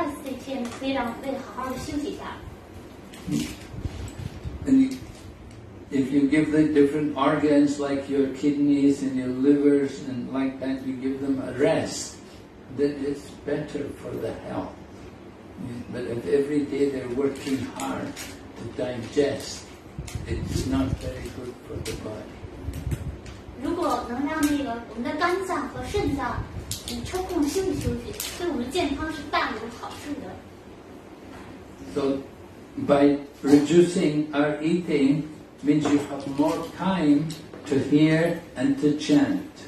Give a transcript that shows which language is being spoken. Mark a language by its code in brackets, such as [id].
[zh] 就Ekadasi呢，这一天呢，可以让我们的身体做出休息，因为平常呢，我们的胃就填满了大米啊、面啊、豆汤啊，在这个Ekadasi这一天，可以让胃好好的休息一下。 [en] And if you give the different organs like your kidneys and your livers and like that, you give them a rest, then it's better for the health. But if every day they're working hard to digest, it's not very good for the body. [zh] 如果能让我们的肝脏和肾脏抽空休息休息，对我们健康是大有好处的。 [en] By reducing our eating means you have more time to hear and to chant.